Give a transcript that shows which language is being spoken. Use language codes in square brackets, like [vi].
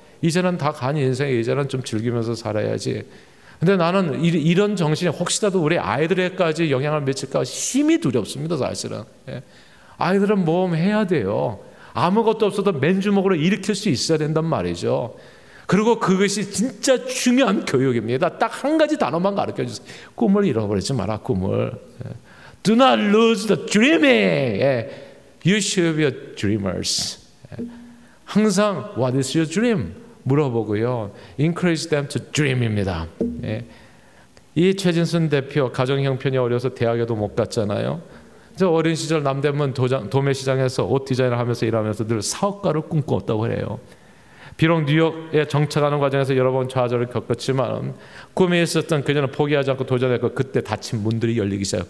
[ko] 이제는 다 간 인생에 이제는 좀 즐기면서 살아야지. 근데 나는 이런 정신이 혹시라도 우리 아이들에까지 영향을 미칠까 심히 두렵습니다, 사실은. 아이들은 모험해야 돼요. 아무것도 없어도 맨주먹으로 일으킬 수 있어야 된단 말이죠. 그리고 그것이 진짜 중요한 교육입니다. 딱 한 가지 단어만 가르쳐 주세요. 꿈을 잃어버리지 마라, 꿈을. [en] Do not lose the dreaming. You should be a dreamers. [ko] 항상 [en] what is your dream? [ko] 물어보고요. [en] Encourage them to dream입니다. [ko] 예. 이 최진순 대표 가정 형편이 어려워서 대학에도 못 갔잖아요. 저 어린 시절 남대문 도매시장에서 옷 디자인을 하면서 일하면서 늘 사업가를 꿈꿨다고 해요. 비록 뉴욕에 정착하는 과정에서 여러 번 좌절을 겪었지만 꿈이 있었던 그녀는 포기하지 않고 도전했고 그때 닫힌 문들이 열리기 시작해요.